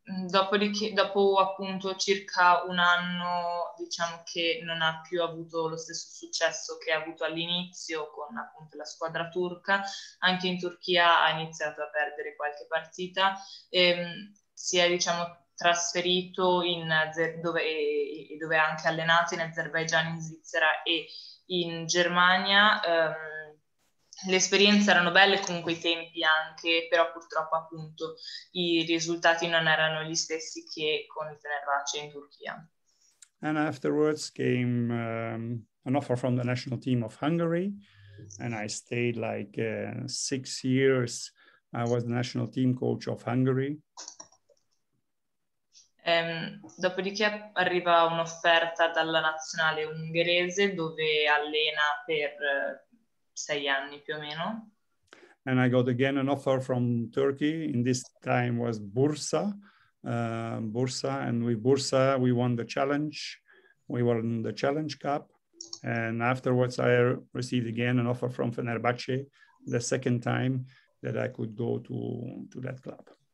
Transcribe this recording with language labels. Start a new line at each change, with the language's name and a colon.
Italian: Dopo appunto circa un anno, diciamo che non ha più avuto lo stesso successo che ha avuto all'inizio con appunto la squadra turca, anche in Turchia ha iniziato a perdere qualche partita, si è diciamo trasferito dove è anche allenato in Azerbaijan, in Svizzera e in Germania. Le esperienze erano belle comunque i tempi anche, però purtroppo appunto i risultati non erano gli stessi che con il Fenerbahce in Turchia.
English: And afterwards came an offer from the national team of Hungary, and I stayed like 6 years. I was the national team coach of Hungary.
Italian: Dopodiché arriva un'offerta dalla nazionale ungherese dove allena per 6 anni più o meno.
English: And I got again an offer from Turkey, in this time was Bursa. Bursa, and with Bursa we won the challenge. We won the Challenge Cup, and afterwards I received again an offer from Fenerbahce, the second time that I could go to that club.